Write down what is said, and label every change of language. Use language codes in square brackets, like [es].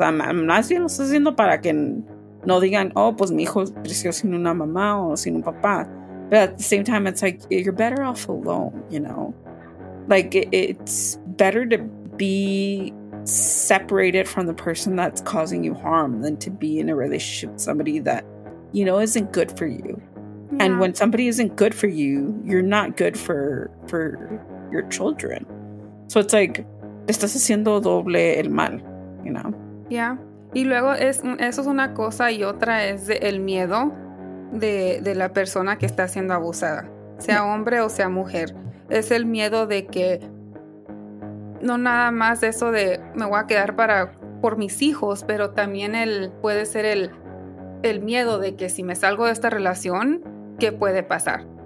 [es] Más bien lo estás haciendo para que no digan, oh, pues mi hijo creció sin una mamá o sin un papá. [en] But at the same time, it's like, you're better off alone, you know? Like, it's better to be separated from the person that's causing you harm than to be in a relationship with somebody that, you know, isn't good for you. Yeah. And when somebody isn't good for you, you're not good for your children. So it's like, [es] estás haciendo doble el mal, [en] you know? Yeah. [es] Y luego, eso es una cosa, y otra es el miedo de la persona que está siendo abusada, sea hombre o sea mujer. Es el miedo de que no nada más eso de me voy a quedar por mis hijos, pero también puede ser el miedo de que si me salgo de esta relación, ¿qué puede pasar?